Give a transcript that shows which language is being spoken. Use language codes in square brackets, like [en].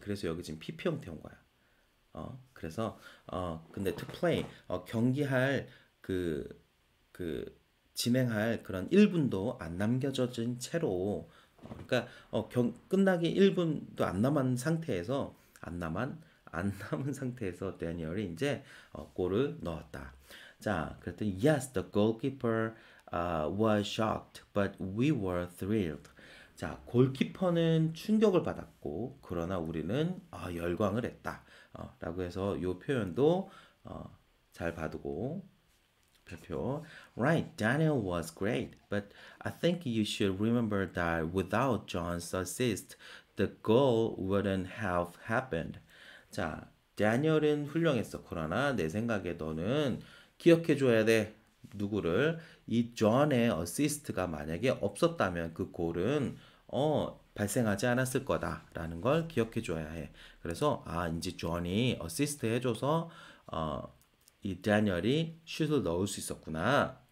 [ko] 그래서 여기 지금 PP 형태 온 거야. 그래서 근데 to play 경기할 그 진행할 그런 1분도 안 남겨져진 채로, 그러니까 끝나기 1분도 안 남은 상태에서 대니얼이 이제 골을 넣었다. [en] 자, [ko] 그랬더니 [en] yes, the goalkeeper was shocked, but we were thrilled. [ko] 자, 골키퍼는 충격을 받았고 그러나 우리는 열광을 했다. 라고 해서 요 표현도 잘 봐두고. [en] Right, Daniel was great, but I think you should remember that without John's assist, the goal wouldn't have happened. [ko] 자, 다니엘은 훌륭했어. 그러나 내 생각에 너는 기억해줘야 돼. 누구를? 이 존의 어시스트가 만약에 없었다면 그 골은 발생하지 않았을 거다라는 걸 기억해줘야 해. 그래서 이제 존이 어시스트 해줘서 이 다니엘이 슛을 넣을 수 있었구나.